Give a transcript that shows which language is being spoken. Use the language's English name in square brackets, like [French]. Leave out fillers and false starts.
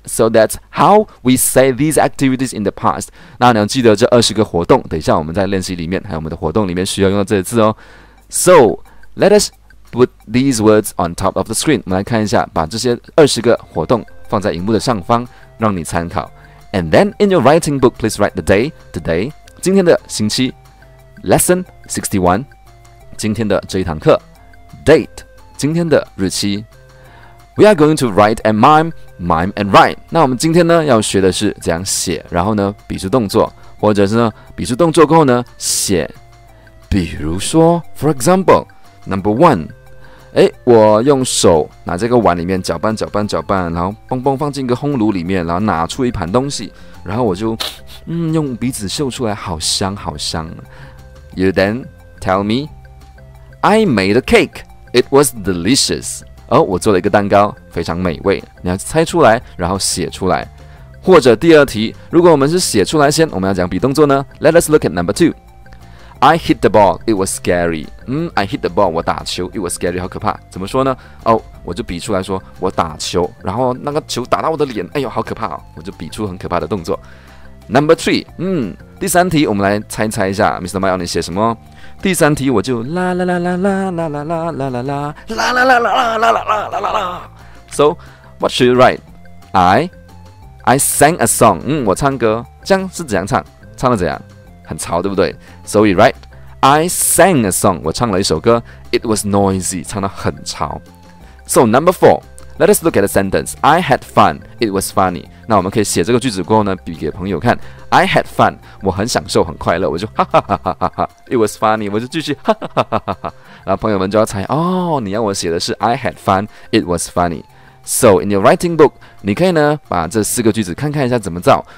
[English] So that's how we say these activities in the past. [Chinese] 那你要记得这二十个活动，等一下我们在练习里面，还有我们的活动里面需要用到这些字哦。 [English] So, let us put these words on top of the screen. [Chinese] 我们来看一下，把这些二十个活动放在荧幕的上方，让你参考。 [English] And then, in your writing book, please write the day, today, [Chinese] 今天的星期 [English] ,Lesson 61, [Chinese] 今天的这一堂课 [English] ,Date, [Chinese] 今天的日期。 [English] We are going to write and mime, mime and write. [Chinese] 那我们今天呢，要学的是怎样写，然后呢，比出动作，或者是呢，比出动作过后呢，写。比如说 ， [English] for example, [Chinese] number one， 哎，我用手拿这个碗里面搅拌搅拌搅拌，然后嘣嘣放进一个烘炉里面，然后拿出一盘东西，然后我就，用鼻子嗅出来，好香好香。 [English] You then tell me, I made a cake. It was delicious. [Chinese] 哦，我做了一个蛋糕，非常美味。你要猜出来，然后写出来。或者第二题，如果我们是写出来先，我们要讲比动作呢 [English] ？Let us look at number two. I hit the ball. It was scary. I hit the ball. [Chinese] 我打球 [English] It was scary. [Chinese] 好可怕。怎么说呢？哦，我就比出来说我打球，然后那个球打到我的脸，哎呦，好可怕哦！我就比出很可怕的动作。 [English] Number three. [Chinese] 第三题，我们来猜猜一下 ，Mr. Mayo， 你写什么？第三题我就啦啦啦啦啦啦啦啦啦啦啦啦啦啦啦啦啦啦啦啦啦啦。 [English] So, what should you write? I sang a song. [Chinese] 我唱歌，这样是怎样唱？唱的怎样？很吵，对不对 ？ [English] So we write, I sang a song. [Chinese] 我唱了一首歌。 [English] It was noisy. [Chinese] 唱得很吵。 [English] So number four, let us look at the sentence. I had fun. It was funny. [Chinese] 那我们可以写这个句子过后呢，比给朋友看。 [English] I had fun. [Chinese] 我很享受，很快乐。我就哈哈哈哈哈哈。 [English] It was funny. [Chinese] 我就继续哈哈哈哈哈。然后朋友们就要猜哦，你要我写的是 [English] I had fun. It was funny. So, in your writing book, [Chinese] 你可以呢把这四个句子看看一下怎么造。